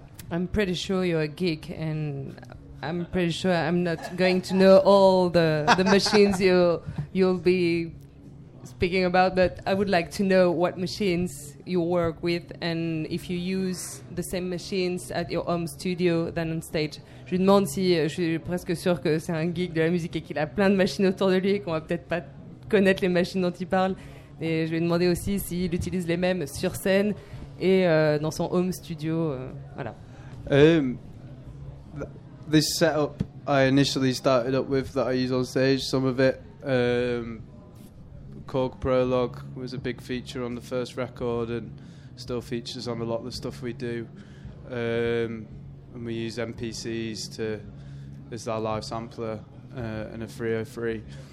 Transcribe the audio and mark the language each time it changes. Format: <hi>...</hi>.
<en>I'm pretty sure you're a geek, and I'm pretty sure I'm not going to know all the machines you'll be speaking about, but I would like to know what machines you work with and if you use the same machines at your home studio than on stage.</en> <fr>Je lui demande si je suis presque sûr que c'est un geek de la musique et qu'il a plein de machines autour de lui et qu'on va peut-être pas connaître les machines dont il parle. Et je lui ai demandé aussi s'il utilise les mêmes sur scène et dans son home studio. Voilà.</fr> <en>This setup I initially started up with that I use on stage, some of it. Korg Prologue was a big feature on the first record and still features on a lot of the stuff we do. And we use MPCs as our live sampler and a 303.</en>